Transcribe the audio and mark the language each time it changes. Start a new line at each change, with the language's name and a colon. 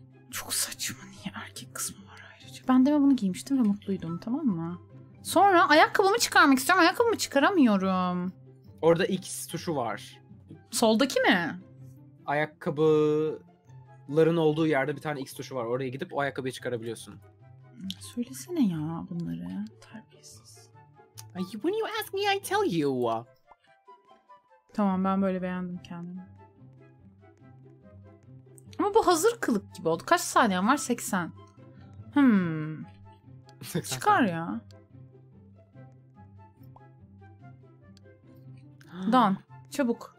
Turkish: Çok saçma, niye erkek kısmı var ayrıca? Ben de bunu giymiştim ve mutluydum, tamam mı? Sonra ayakkabımı çıkarmak istiyorum. Ayakkabımı çıkaramıyorum. Orada X tuşu var. Soldaki mi? Ayakkabıların olduğu yerde bir tane X tuşu var. Oraya gidip o ayakkabıyı çıkarabiliyorsun. Söylesene ya bunları. Terbiyesiz.
English: When you ask me, I tell you.
Turkish: Tamam, ben böyle beğendim kendimi. Ama bu hazır kılık gibi oldu. Kaç saniyen var? 80. Çıkar ya. Dan. Çabuk.